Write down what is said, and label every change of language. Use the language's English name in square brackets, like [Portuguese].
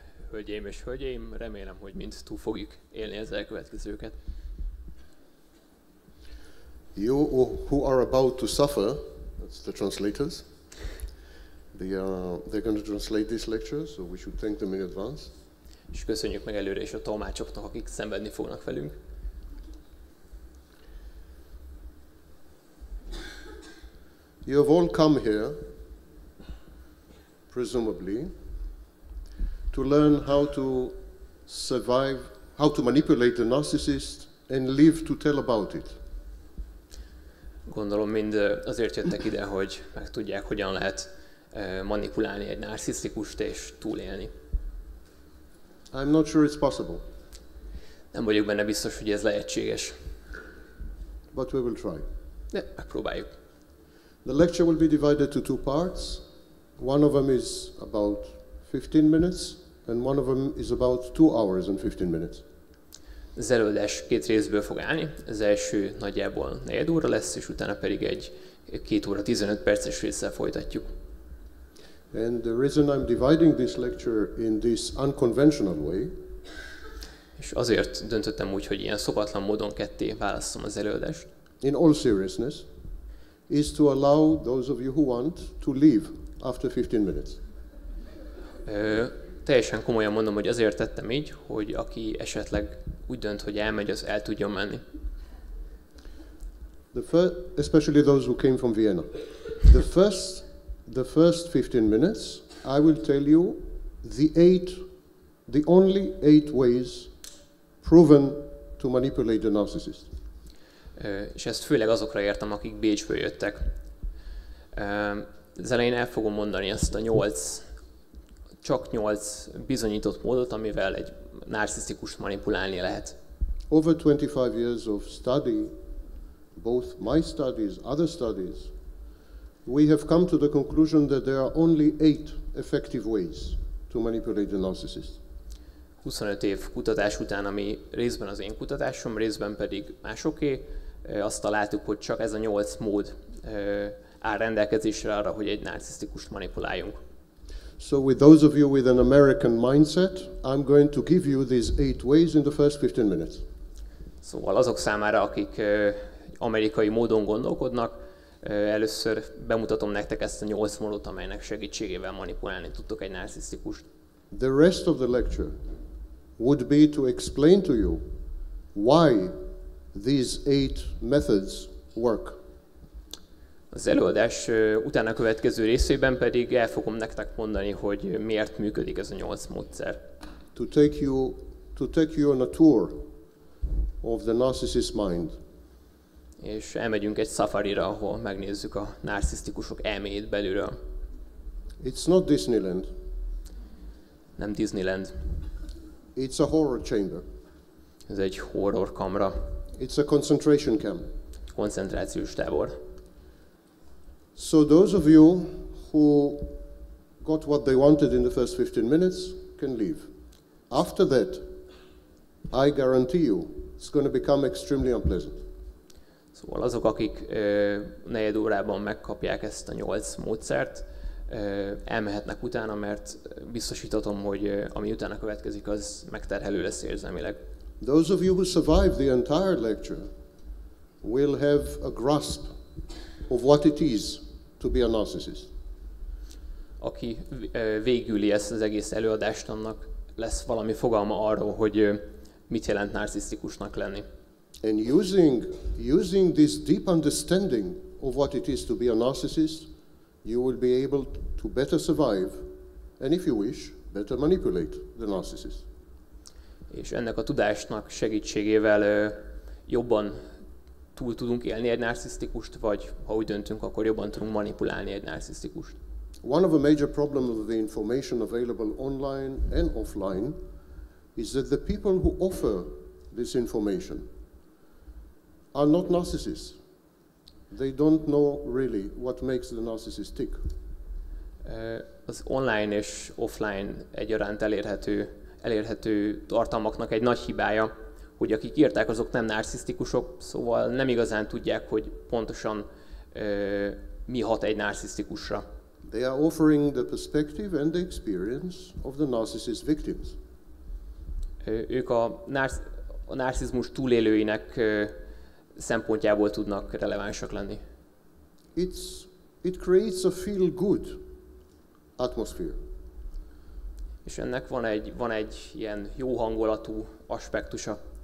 [Hungarian] Hölgyeim és hölgyeim, remélem, hogy mind túl fogjuk élni az elkövetkezőket. [English] You who are about to suffer, that's the translators. They're going to translate this lecture, so we should thank them in advance. [Hungarian] És köszönjük meg előre is a tolmácsoknak, akik szenvedni fognak velünk. [English] You have all come here, presumably, to learn how to survive, how to manipulate the narcissist and live to tell about it. [Hungarian] Gondolom mind azért jöttek ide, hogy meg tudják, hogyan lehet manipulálni egy narcisztikust és túlélni. [English] I'm not sure it's possible. [Hungarian] Nem vagyok benne biztos, hogy ez lehetséges. [English] But we will try. [Hungarian] De megpróbáljuk. [English] The lecture will be divided into two parts. One of them is about 15 minutes. And one of them is about 2 hours and 15 minutes. [Hungarian] Az előadás két részből fog állni. Az első nagyjából 4 óra lesz, és utána pedig egy 2 óra 15 perces résszel folytatjuk. [English] And the reason I'm dividing this lecture in this unconventional way. [Hungarian] És azért döntöttem úgy, hogy ilyen szokatlan módon ketté választom az előadást. [English] In all seriousness, is to allow those of you who want to leave after 15 minutes. [Hungarian] Teljesen komolyan mondom, hogy azért tettem így, hogy aki esetleg úgy dönt, hogy elmegy, az el tudjon menni. [English] The first, especially those who came from Vienna. The first 15 minutes, I will tell you the only eight ways proven to manipulate the narcissist. [Hungarian] És ezt főleg azokra értem, akik Bécsből jöttek. Az elején el fogom mondani ezt a 8 bizonyított módot, amivel egy narcisztikust manipulálni lehet. [English] Over 25 years of study, both my studies, other studies, we have come to the conclusion that there are only 8 effective ways to manipulate the narcissist. [Hungarian] 25 év kutatás után, ami részben az én kutatásom, részben pedig másoké, azt találtuk, hogy csak ez a 8 mód áll rendelkezésre arra, hogy egy narcisztikust manipuláljunk. [English] So with those of you with an American mindset, I'm going to give you these 8 ways in the first 15 minutes. [Hungarian] Szóval azok számára, akik amerikai módon gondolkodnak, először bemutatom nektek ezt a 8 módot, amelynek segítségével manipulálni tudtok egy narcisztikust. [English] The rest of the lecture would be to explain to you why these 8 methods work. [Hungarian] Az előadás utána következő részében pedig el fogom nektek mondani, hogy miért működik ez a 8 módszer. [English] To take you on a tour of the narcissist mind. [Hungarian] És elmegyünk egy safarira, ahol megnézzük a narcisztikusok elméjét belülről. [English] It's not Disneyland. [Hungarian] Nem Disneyland. [English] It's a horror chamber. [Hungarian] Ez egy horror kamra. [English] It's a concentration camp. [Hungarian] Koncentrációs tábor. [English] So those of you who got what they wanted in the first 15 minutes can leave. After that, I guarantee you, it's going to become extremely unpleasant. [Hungarian] Szóval azok, akik negyed órában megkapják ezt a 8 módszert, elmehetnek utána, mert biztosítatom, hogy ami utána következik, az megterhelő lesz érzelmileg. [English] Those of you who survived the entire lecture will have a grasp of what it is to be a narcissist. [Hungarian] Aki végüli ezt az egész előadást, annak lesz valami fogalma arról, hogy mit jelent narcisztikusnak lenni. [English] And using this deep understanding of what it is to be a narcissist, you will be able to better survive and if you wish, better manipulate the narcissist. [Hungarian] És ennek a tudásnak segítségével jobban túl tudunk élni egy narcisztikust, vagy ha úgy döntünk, akkor jobban tudunk manipulálni egy narcisztikust. [English] One of the major problems of the information available online and offline is that the people who offer this information are not narcissists. They don't know really what makes the narcissist tick. [Hungarian] az online és offline egyaránt elérhető tartalmaknak egy nagy hibája, hogy akik írták, azok nem narcisztikusok, szóval nem igazán tudják, hogy pontosan mi hat egy narcisztikusra. [English] They are offering the perspective and the experience of the narcissist victims. [Hungarian] Ők a narcizmus túlélőinek szempontjából tudnak relevánsak lenni. [English] It creates a feel good atmosphere. [Hungarian] És ennek van egy ilyen jó hangulatú aspektusa.